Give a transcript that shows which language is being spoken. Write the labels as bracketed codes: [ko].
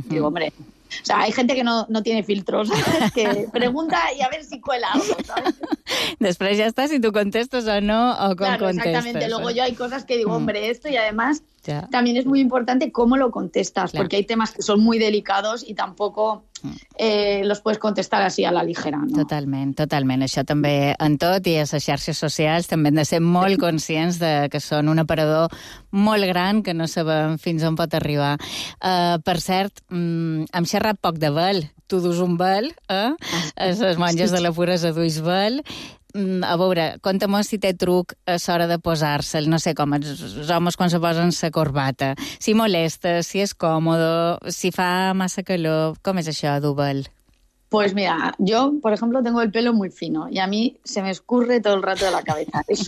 [es] Digo, hombre, o sea, hay gente que no tiene filtros, que pregunta y a ver si cuela algo, ¿sabes? Después ya está, si tú contestas o no, o con claro, contestas. Exactamente. Luego yo hay cosas que digo, hombre, esto, y además también es muy importante cómo lo contestas, claro. Porque hay temas que son muy delicados y tampoco... los puedes contestar así a la ligera, ¿no? [ca] Totalment. Això també en tot, i a les xarxes socials també hem de ser molt conscients de que són un aparador molt gran, que no sabem fins on pot arribar. Per cert, hem xerrat poc de vel. Tu dus un vel, eh? Les monges de la puresa duis vel. A veure, conta-me si té truc a l'hora de posar-se'l, no sé com, els homes quan se posen la corbata, si molesta, si és còmode, si fa massa calor, com és això, Duval? [es] Pues mira, yo, por ejemplo, tengo el pelo muy fino y a mí se me escurre todo el rato de la cabeza.